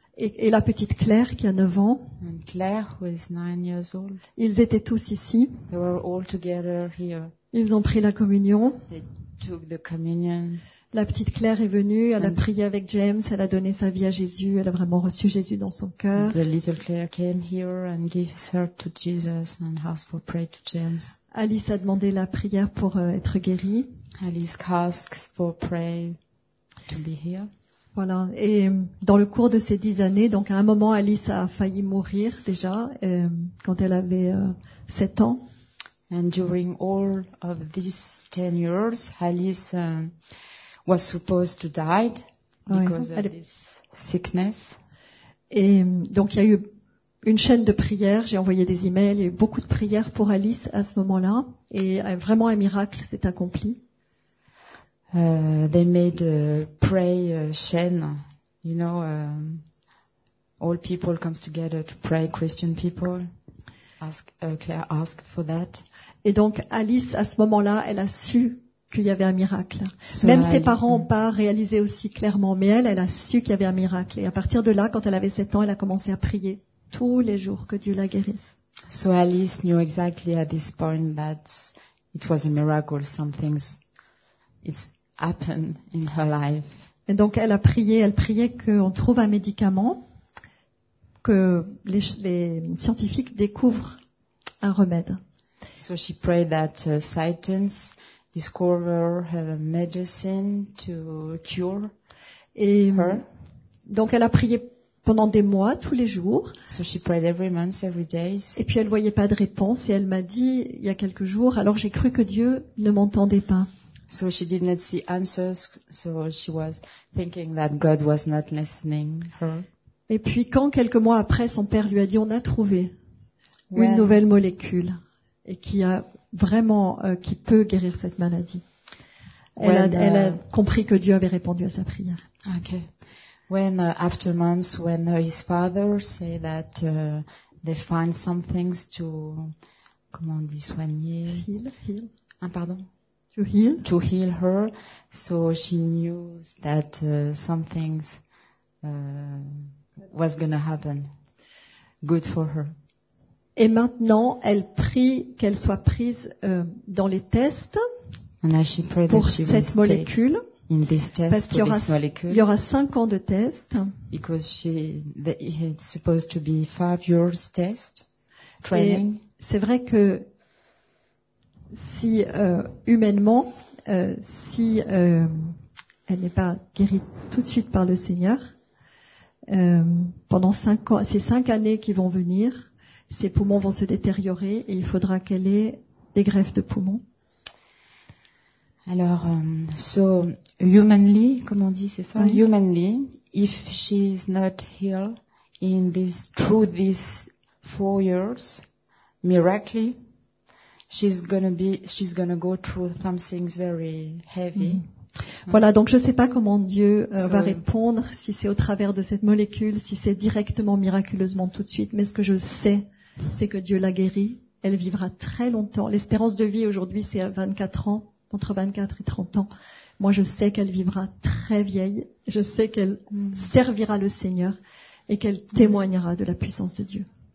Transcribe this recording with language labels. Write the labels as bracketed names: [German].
[French] Et la petite Claire qui a 9 ans. [English] And Claire who is 9 years old. [French] Ils étaient tous ici. [English] They were all together here. [French] Ils ont pris la communion. [English] They took the communion. [French] La petite Claire est venue, elle a prié avec James, elle a donné sa vie à Jésus, elle a vraiment reçu Jésus dans son cœur. [English] The little Claire came here and gave her to Jesus and asked for prayer to James. [French] Alice a demandé la prière pour être guérie. [English] Alice asks for prayer to be healed. [French] Voilà. Et dans le cours de ces 10 années, donc à un moment, Alice a failli mourir déjà quand elle avait 7 ans. [English] And during all of these 10 years, Alice was supposed to die because of this sickness. [French] Et donc il y a eu une chaîne de prières, j'ai envoyé des emails, il y a eu beaucoup de prières pour Alice à ce moment-là et vraiment un miracle s'est accompli. [English] They made a prayer chain, you know, all people comes together to pray, Christian people. Claire asked for that. [French] Et donc Alice à ce moment-là, elle a su qu'il y avait un miracle. So même ses parents n'ont pas réalisé aussi clairement, mais elle a su qu'il y avait un miracle. Et à partir de là, quand elle avait 7 ans, elle a commencé à prier tous les jours que Dieu la guérisse. [English] So Alice knew exactly at this point that it was a miracle, something it's happened in her life. [French] Et donc elle priait qu'on trouve un médicament, que les scientifiques découvrent un remède. [English] So she prayed that Satan's discover her medicine to cure [French] et [English] her. [French] Donc elle a prié pendant des mois tous les jours. [English] So she prayed every month, every day. [French] Et puis elle voyait pas de réponse et elle m'a dit il y a quelques jours, alors j'ai cru que Dieu ne m'entendait pas. [English] So she did not see answers, so she was thinking that God was not listening her. [French] Et puis quand quelques mois après son père lui a dit on a trouvé une nouvelle molécule et qui a vraiment qui peut guérir cette maladie. Elle a compris que Dieu avait répondu à sa prière. [English] Okay. When after months, when his father say that they find some things to, [French] comment on dit, soigner. [English] Heal. [French] Pardon. [English] To heal. To heal her. So she knew that some things was gonna happen. Good for her. [French] Et maintenant, elle prie qu'elle soit prise dans les tests pour cette molécule. Parce qu'il y aura 5 ans de tests. [English] Because it's supposed to be 5 years test training. [French] Et c'est vrai que si humainement, si elle n'est pas guérie tout de suite par le Seigneur, pendant 5 ans, ces 5 années qui vont venir, ses poumons vont se détériorer et il faudra qu'elle ait des greffes de poumons. Alors, humanly, comme on dit, c'est ça? Oui. [English] Humanly, if she is not healed in this through these 4 years, miraculously, she's gonna go through something very heavy. Mm. [French] Voilà, donc je ne sais pas comment Dieu va répondre, si c'est au travers de cette molécule, si c'est directement, miraculeusement tout de suite, mais ce que je sais, c'est que Dieu l'a guérie. Elle vivra très longtemps. L'espérance de vie aujourd'hui, c'est 24 ans, entre 24 et 30 ans. Moi, je sais qu'elle vivra très vieille. Je sais qu'elle servira le Seigneur et qu'elle témoignera de la puissance de Dieu.